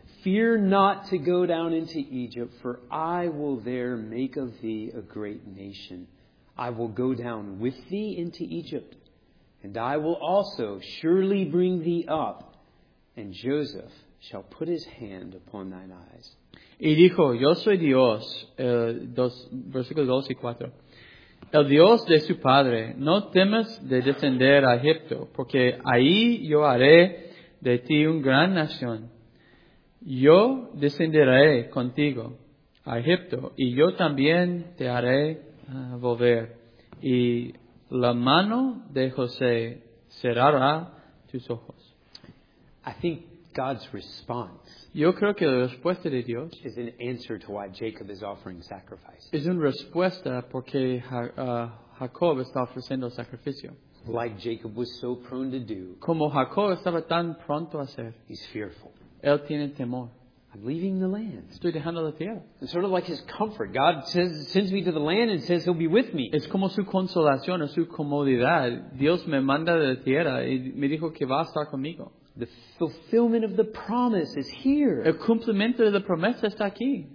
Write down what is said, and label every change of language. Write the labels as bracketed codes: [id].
[en] Fear not to go down into Egypt, for I will there make of thee a great nation. I will go down with thee into Egypt, and I will also surely bring thee up, and Joseph shall put his hand upon thine eyes." [es] Y dijo, "Yo soy Dios," versículos 2 y 4. "El Dios de su padre, no temas de descender a Egipto, porque ahí yo haré de ti una gran nación. Yo descenderé contigo a Egipto, y yo también te haré volver. Y la mano de José cerrará tus ojos." [en] I think God's response, [es] yo creo que la respuesta de Dios, [en] is an answer to why Jacob is offering sacrifice. [es] Es una respuesta porque Jacob está ofreciendo sacrificio. [en] Like Jacob was so prone to do. [es] Como Jacob estaba tan pronto a hacer. [en] He's fearful. [es] Él tiene temor. [en] "I'm leaving the land." [es] Estoy dejando la tierra. [en] It's sort of like his comfort. God says, sends me to the land and says he'll be with me. [es] Es como su consolación o su comodidad. Dios me manda de la tierra y me dijo que va a estar conmigo. [en] The fulfillment of the promise is here. [es] El cumplimiento de la promesa está aquí.